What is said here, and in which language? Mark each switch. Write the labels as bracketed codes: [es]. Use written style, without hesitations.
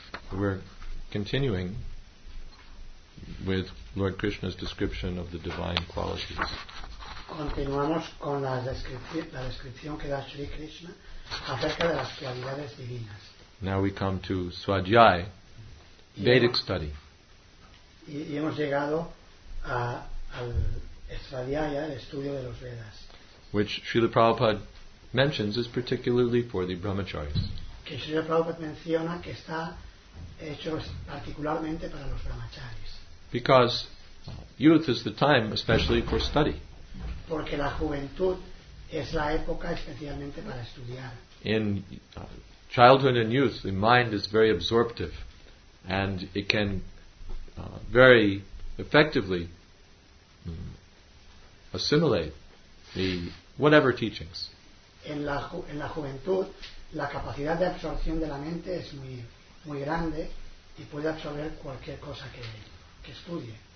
[en] We're continuing with Lord Krishna's description of the divine qualities. [es] Continuamos con la descripción que da Sri Krishna acerca de las cualidades divinas. [en] Now we come to Swadhyay, Vedic study. [es] Y hemos llegado al Svadhyaya, el estudio de los Vedas. [en] Which Srila Prabhupada mentions is particularly for the brahmacharis. [es] Que Srila Prabhupada menciona que está hecho particularmente para los brahmacharis. [en] Because youth is the time especially for study. [es] Porque la juventud es la época especialmente para estudiar. [en] In childhood and youth, the mind is very absorptive and it can very effectively assimilate the whatever teachings. [es] En la juventud, la capacidad de absorción de la mente es muy, muy grande y puede absorber cualquier cosa que estudie.